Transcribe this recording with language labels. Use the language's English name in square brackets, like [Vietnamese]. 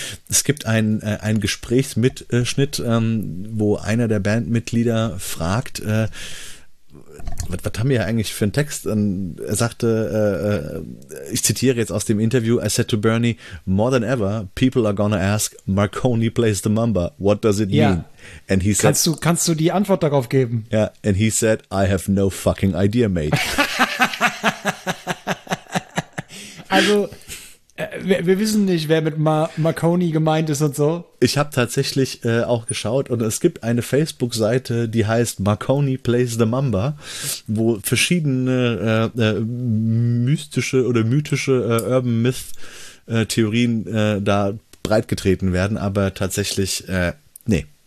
[German] Es gibt einen Gesprächsmitschnitt, wo einer der Bandmitglieder fragt, was haben wir eigentlich für einen Text? Und er sagte, ich zitiere jetzt aus dem Interview, [English] I said to Bernie, more than ever, people are gonna ask, Marconi plays the Mamba, what does it mean? And he said, [German] kannst du die Antwort darauf geben? [English] Ja, yeah, and he said, I have no fucking idea, mate. [German] Also, wir wissen nicht, wer mit Marconi gemeint ist und so. Ich habe tatsächlich auch geschaut und es gibt eine Facebook-Seite, die heißt Marconi Plays the Mamba, wo verschiedene mystische oder mythische Urban Myth-Theorien da breitgetreten werden, aber tatsächlich, nee.